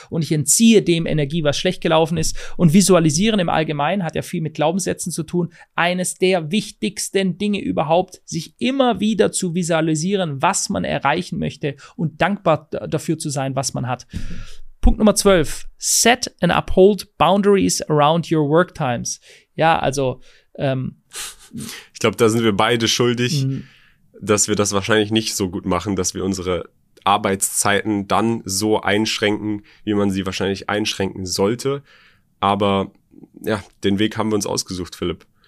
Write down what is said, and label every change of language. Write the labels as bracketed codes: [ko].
[de] Und ich entziehe dem Energie, was schlecht gelaufen ist. Und visualisieren im Allgemeinen hat ja viel mit Glaubenssätzen zu tun. Eines der wichtigsten Dinge überhaupt, sich immer wieder zu visualisieren, was man erreichen möchte und dankbar dafür zu sein, was man hat. Punkt Nummer 12. [en] Set and uphold boundaries around your work times. [de] Ja, also ich glaube, da sind wir beide schuldig, dass wir das wahrscheinlich nicht so gut machen, dass wir unsere Arbeitszeiten dann so einschränken, wie man sie wahrscheinlich einschränken sollte. Aber ja, den Weg haben wir uns ausgesucht, Philipp.